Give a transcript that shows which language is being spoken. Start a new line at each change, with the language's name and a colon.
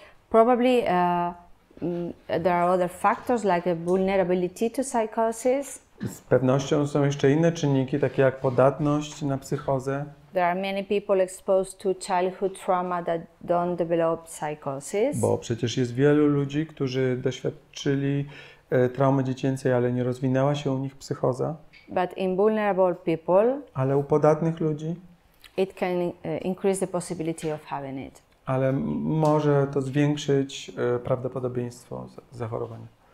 English: Probably there are other factors like a vulnerability to psychosis.
Polish: Z pewnością są jeszcze inne czynniki, takie jak podatność na psychozę.
English: There are many people exposed to childhood trauma that don't develop psychosis.
Polish: Bo przecież jest wielu ludzi, którzy doświadczyli traumy dziecięcej, ale nie rozwinęła się u nich psychoza.
English: But in vulnerable people,
Polish: ale u podatnych ludzi,
English: it can increase the possibility of having it.
Polish: ale może to zwiększyć prawdopodobieństwo zachorowania.